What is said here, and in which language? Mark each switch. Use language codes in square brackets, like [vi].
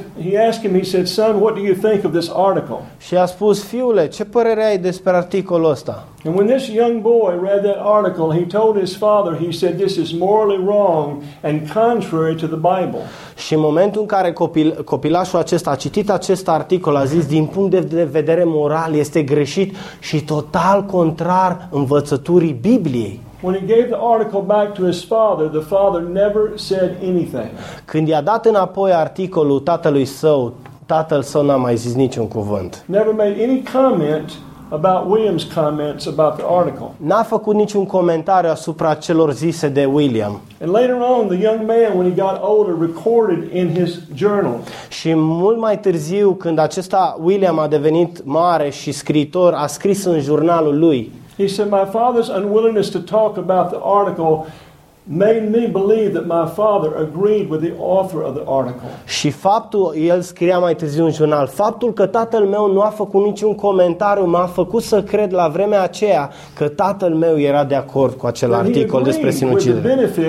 [en] He asked him, son, what do you think of this article? [ro] Și a spus, fiule, ce părere ai despre articolul ăsta? [en] And when this young boy read that article, he told his father, he said, this is morally wrong and contrary to the Bible. [ro] Și în momentul în care copilașul acesta a citit acest articol, a zis, din punct de vedere moral, este greșit și total contrar învățăturii Bibliei. [en] When he gave the article back to his father, the father never said anything. [ro] Când i-a dat înapoi articolul tatălui său, tatăl său n-a mai zis niciun cuvânt. [en] Never made any comment about William's comments about the article. [ro] N-a făcut niciun comentariu asupra celor zise de William. [en] And later on, the young man, when he got older, recorded in his journal. [ro] Și mult mai târziu, când acesta William a devenit mare și scriitor, a scris în jurnalul lui. [en] He said, my father's unwillingness to talk about the article made me believe that my father agreed with the author of the article. [ro] Și faptul, el scria mai târziu în jurnal, faptul că tatăl meu nu a făcut niciun comentariu m-a făcut să cred la vremea aceea că tatăl meu era de acord cu acel articol despre sinucidere.